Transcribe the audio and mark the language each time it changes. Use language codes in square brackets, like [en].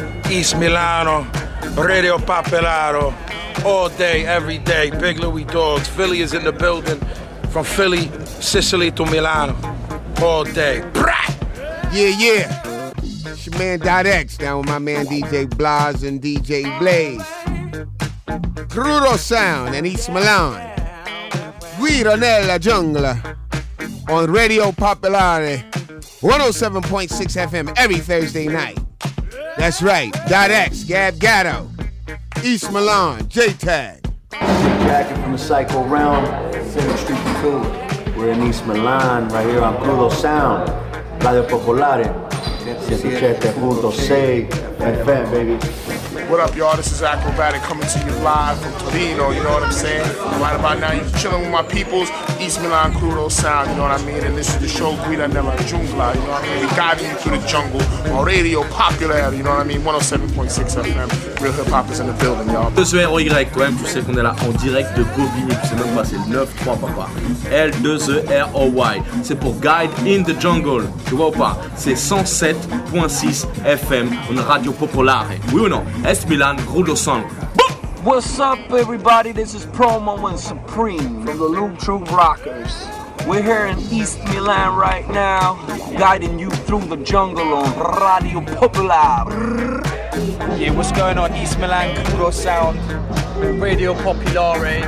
[en] East Milano, Radio Popolare. All day, every day, Big Louie Dogs. Philly is in the building. From Philly, Sicily to Milano. All day. Brah! Yeah, yeah. It's your man Dot X, down with my man DJ Blaz and DJ Blaze. Crudo Sound and East Milan. Guido nella Jungla. On Radio Popolare. 107.6 FM every Thursday night. That's right. Dot X, Gab Gatto. East Milan, J-Tag. Jacket from the Psycho Realm, Center Street and Food. We're in East Milan, right here on Crudo Sound. Radio Popolare, 107.6 FM, baby. What up, y'all? This is Acrobatic coming to you live from Torino, you know what I'm saying? Right about now, you're chilling with my peoples, East Milan Crudo Sound, you know what I mean? And this is the show, Guida Nella Jungla, you know what I mean? We're guiding you through the jungle on Radio Popular, you know what I mean? 107.6 FM, real hip hop is in the building, y'all. [fr] Je suis R-O-Y, quand même, tu sais qu'on est là en direct de Bobigny, tu sais même pas, c'est 9-3, papa. L-2-E-R-O-Y, c'est pour Guide in the Jungle, tu vois ou pas? C'est 107.6 FM, une radio popolare, oui ou non? [en] East Milan, Crudo Sound. What's up, everybody? This is Promo and Supreme from the Loom True Rockers. We're here in East Milan right now, guiding you through the jungle on Radio Popolare. Yeah, what's going on, East Milan, Crudo Sound, Radio Popolare,